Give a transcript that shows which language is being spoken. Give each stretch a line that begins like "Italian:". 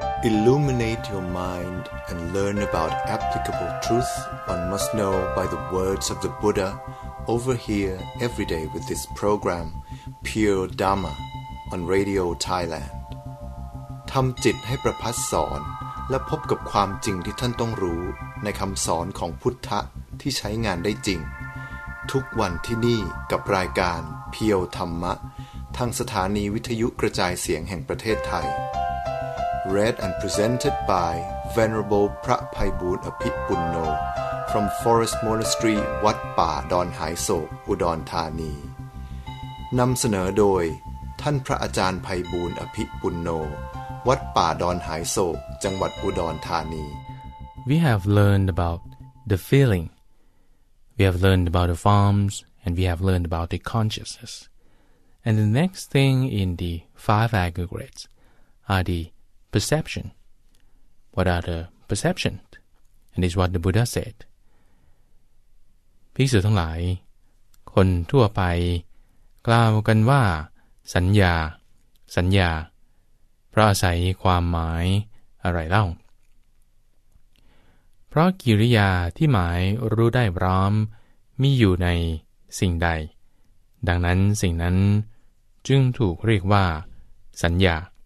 English: Illuminate your mind and learn about applicable truth one must know by the words of the Buddha over here every day with this program, Pure Dharma, on Radio Thailand.
Thai: ทำจิตให้ประพัสสอนและพบกับความจริงที่ท่านต้องรู้ในคำสอนของพุทธะที่ใช้งานได้จริงทุกวันที่นี่กับรายการเพียวธรรมะทางสถานีวิทยุกระจายเสียงแห่งประเทศไทย
English: Read and presented by Venerable
Thai: พระไพบูลย์อภิปุณโญ
English: from Forest Monastery
Thai: วัดป่าดอนหายโศกอุดรธานีนำเสนอโดยท่านพระอาจารย์ไพบูลย์อภิปุณโญวัดป่าดอนหายโศกจังหวัดอุดรธานี
English: We have learned about the feeling. We have learned about the forms, and we have learned about the consciousness. And the next thing in the five aggregates are the perception. What are the perception? And this is what the Buddha said.
Thai: ภิกษุทั้งหลายคนทั่วไปกล่าวกันว่าสัญญาสัญญาเพราะอาศัยความหมายอะไรเล่าเพราะกิริยาที่หมายรู้ได้พร้อมมีอยู่ในสิ่งใดดังนั้นสิ่งนั้นจึงถูกเรียกว่าสัญญา